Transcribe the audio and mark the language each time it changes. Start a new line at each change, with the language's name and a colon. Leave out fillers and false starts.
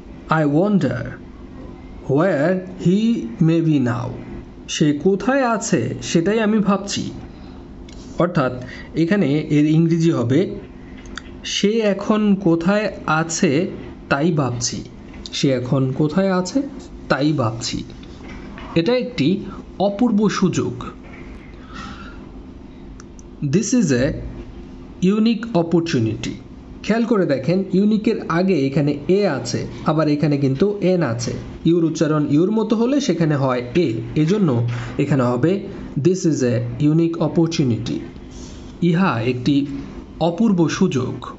English: I wonder where he may be now.
Bangla: সে কোথায় আছে সেটাই আমি ভাবছি। অর্থাৎ এখানে এর ইংরেজি হবে সে এখন কোথায় আছে তাই ভাবছি। সে এখন কোথায় আছে তাই ভাবছি। এটা একটি অপূর্ব সুযোগ।
English: This is a unique opportunity.
Bangla: খেয়াল করে দেখেন ইউনিকের আগে এখানে এ আছে আবার এখানে কিন্তু এন আছে। ইউর উচ্চারণ ইউর মতো হলে সেখানে হয় এ, এজন্য এখানে হবে
English: This is a unique opportunity.
Bangla: ইহা একটি অপূর্ব সুযোগ।